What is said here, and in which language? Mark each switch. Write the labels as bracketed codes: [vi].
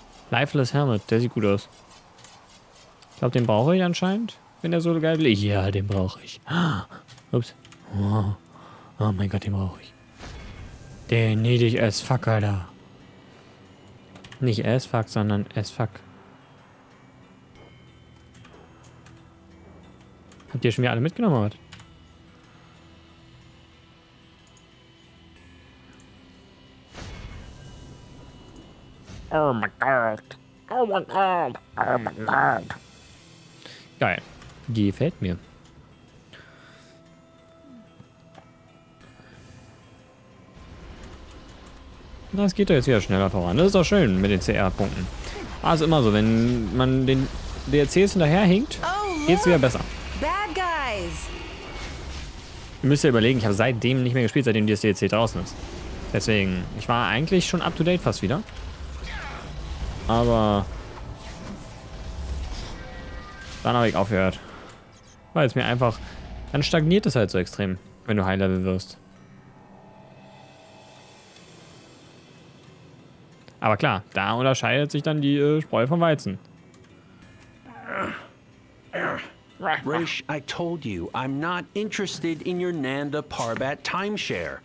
[de] Lifeless Helmet, der sieht gut aus. Ich glaube, den brauche ich anscheinend, wenn der so geil will. Ja, den brauche ich. Ups. Oh mein Gott, den brauche ich. Den niedrig [en] as fuck, [de] Alter. Nicht as fuck, sondern as fuck. Habt ihr schon wieder alle mitgenommen, oder? Oh mein Gott. Oh mein Gott. Oh mein Gott. Geil. Gefällt mir. Das geht doch jetzt wieder schneller voran. Das ist doch schön mit den CR-Punkten. Aber es ist immer so, wenn man den DLCs hinterherhinkt, geht es wieder besser. [en] Bad guys. [de] Ihr müsst ja überlegen, ich habe seitdem nicht mehr gespielt, seitdem das DLC draußen ist. Deswegen, ich war eigentlich schon up to date fast wieder. Aber dann habe ich aufgehört. Weil es mir einfach. Dann stagniert es halt so extrem, wenn du High Level wirst. Aber klar, da unterscheidet sich dann die Spreu vom Weizen. [en] Rish, I told you, I'm not interested in your Nanda Parbat timeshare.